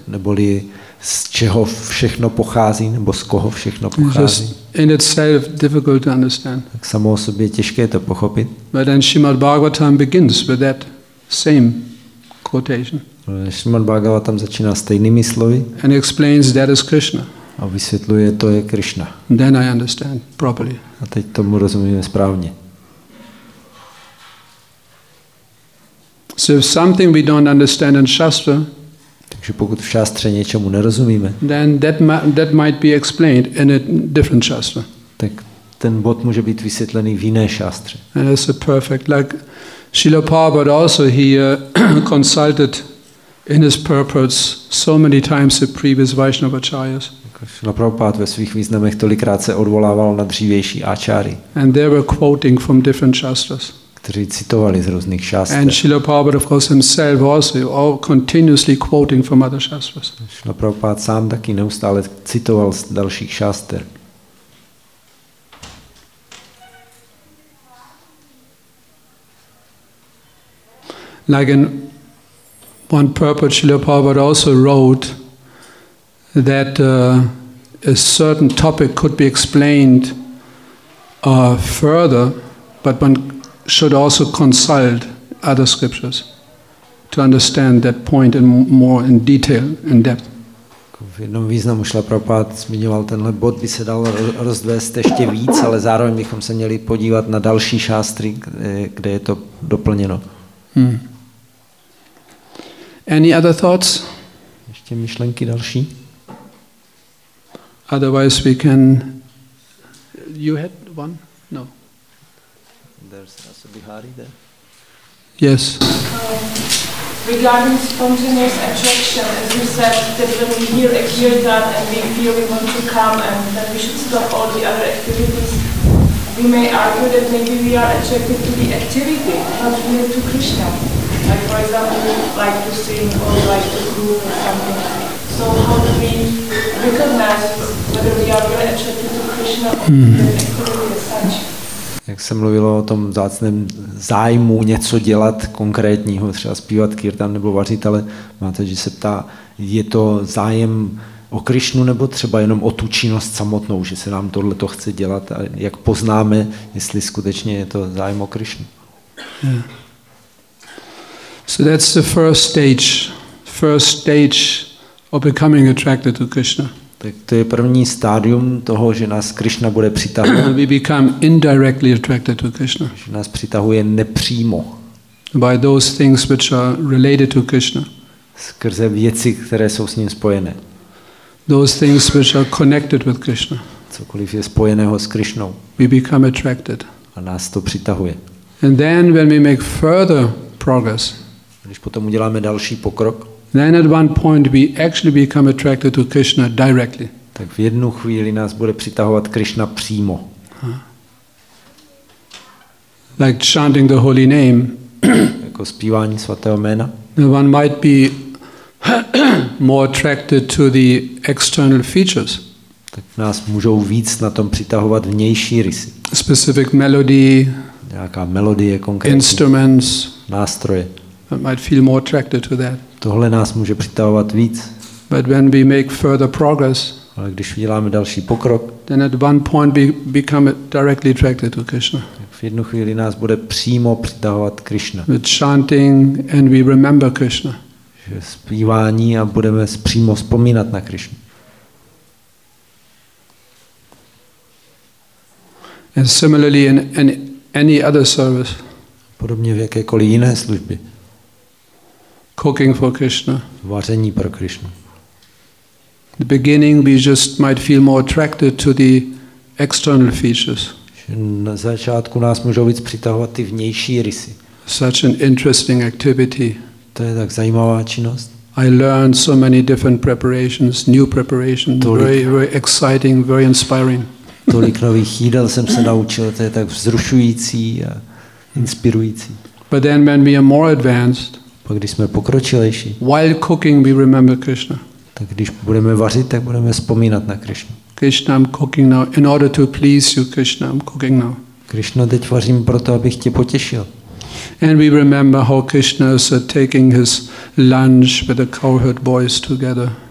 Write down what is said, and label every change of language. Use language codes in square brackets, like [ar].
[cs] Neboli z čeho všechno pochází, nebo z koho všechno pochází. [en] In itself difficult to understand. [cs] Tak samo o sobě těžké to pochopit. [en] But then Srimad Bhagavatam begins with that same quotation. [cs] Srimad Bhagavatam začíná stejnými slovy. [en] And explains that is Krishna. [cs] A vysvětluje, to je Krishna. [en] Then I understand properly. [cs] A teď tomu rozumím správně. [en] So if something we don't understand in Shastra, [cs] takže pokud v šástře něčemu nerozumíme, [en] then that might be explained in a different Shastra. [cs] Tak ten bod může být vysvětlený v jiné šástře. [en] And it's a perfect, like Srila Prabhupada also, he consulted in his purports so many times the previous Vaishnava acharyas. [cs] Srila Prabhupada ve svých významech tolikrát se odvolával na dřívější áčáry. [en] And they were quoting from different Shastras. [cs] Kteří citovali z různých šástr. [en] And Srila Prabhupada of course himself also all continuously quoting from other Shastras. [cs] Srila Prabhupada sám taky neustále citoval z dalších šástr. [en] Like in one purport, Srila Prabhupada also wrote that a certain topic could be explained further, but one should also consult other scriptures to understand that point in more in detail, in depth. [cs] V jednom významu Šrila Prabhupád zmiňoval, tenhle bod by se dal rozvést ještě víc, ale zároveň bychom se měli podívat na další šástry, kde je to doplněno. Hmm. [en] Any other thoughts? [cs] Ještě myšlenky další? [en] Otherwise we can... You had one? No. There's also Bihari there. Yes. Regarding spontaneous attraction, as you said, that when we hear a kirtan and we feel we want to come and that we should stop all the other activities, we may argue that maybe we are attracted to the activity, not really to Krishna. Like, for example, we like to sing or like to groove or something. So how do we recognize whether we are really attracted to Krishna or to the activity as such? [cs] Jak se mluvilo o tom vzácném zájmu něco dělat konkrétního, třeba zpívat kirtan nebo vařit, ale máte, že se ptá, je to zájem o Krišnu nebo třeba jenom o tu činnost samotnou, že se nám tohle to chce dělat a jak poznáme, jestli skutečně je to zájem o Krišnu. [en] So that's the first stage of becoming attracted to Krishna. [cs] Tak to je první stádium toho, že nás Krishna bude přitahovat. [en] We become indirectly attracted to Krishna. [cs] Že nás přitahuje nepřímo. [en] By those things which are related to Krishna. [cs] Skrze věci, které jsou s ním spojené. [en] Those things which are connected with Krishna. [cs] Cokoliv je spojeného s Krishnou. [en] We become attracted. [cs] A nás to přitahuje. [en] And then when we make further progress. [cs] Když potom uděláme další pokrok. [en] Then at one point we actually become attracted to Krishna directly. [cs] Tak v jednu chvíli nás bude přitahovat Krishna přímo. [en] Like chanting the holy name. [cs] Jako zpívání svatého jména. [en] One might be more attracted to the external features. [cs] Tak nás můžou víc na tom přitahovat vnější rysy. [en] Specific melody. [cs] Nějaká melodie konkrétní. [en] Instruments. [cs] Nástroje. [en] One might feel more attracted to that. [cs] Tohle nás může přitahovat víc. [en] But when we make further progress, [cs] ale když uděláme další pokrok, [en] then at one point we become directly attracted to Krishna. [cs] V jednu chvíli nás bude přímo přitahovat Krishna. [en] With chanting and we remember Krishna. [cs] Že zpívání a budeme přímo vzpomínat na Krishnu. [en] And similarly in any other service. [cs] Podobně v jakékoliv jiné službě. [en] Cooking for Krishna. [cs] Vaření pro Krishnu. [en] The beginning we just might feel more attracted to the external features. [cs] Na začátku nás můžou víc přitahovat ty vnější rysy. [en] Such an interesting activity. [cs] To je tak zajímavá činnost. [en] I learned so many different preparations, new preparations, very, very exciting, very inspiring. [cs] Tolik nových jídel jsem se naučil, to je tak vzrušující a inspirující. [en] But then when we are more advanced, [cs] pak když jsme pokročilejší. [en] While cooking we remember Krishna. [cs] Tak když budeme vařit, tak budeme vzpomínat na Krishnu. [en] Krishna, I'm cooking now in order to please you, Krishna, I'm cooking now. [cs] Krishna, teď vařím proto, abych tě potěšil. [en] And we remember how Krishna is taking his lunch with the cowherd boys together.